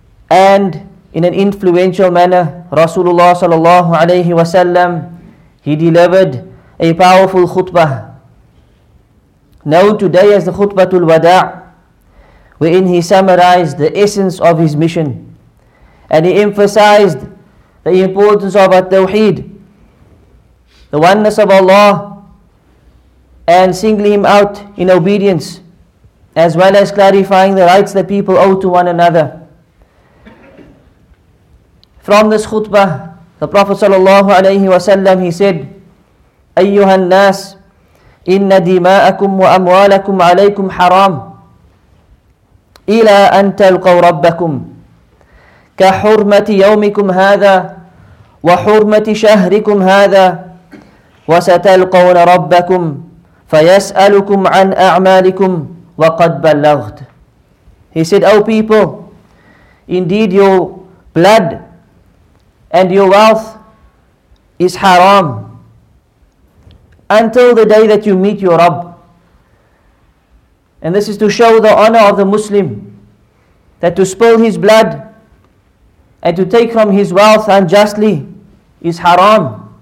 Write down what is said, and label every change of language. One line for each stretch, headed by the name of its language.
English: And in an influential manner, Rasulullah sallallahu alayhi wasallam, he delivered a powerful khutbah, known today as the Khutbatul Wada', wherein he summarized the essence of his mission, and he emphasized the importance of At-Tawheed, the oneness of Allah, and singling Him out in obedience, as well as clarifying the rights that people owe to one another. From this khutbah, the Prophet sallallahu alayhi wasallam, he said,
Arabic: أيها الناس إن دماءكم وأموالكم عليكم حرام إلى أن تلقوا ربكم كحرمة يومكم هذا وحرمة شهركم هذا وستلقون ربكم فيسألكم عن أعمالكم وقد بلغت.
English: He said, O people, indeed your blood and your wealth is haram until the day that you meet your Rabb. And this is to show the honor of the Muslim, that to spill his blood and to take from his wealth unjustly is haram.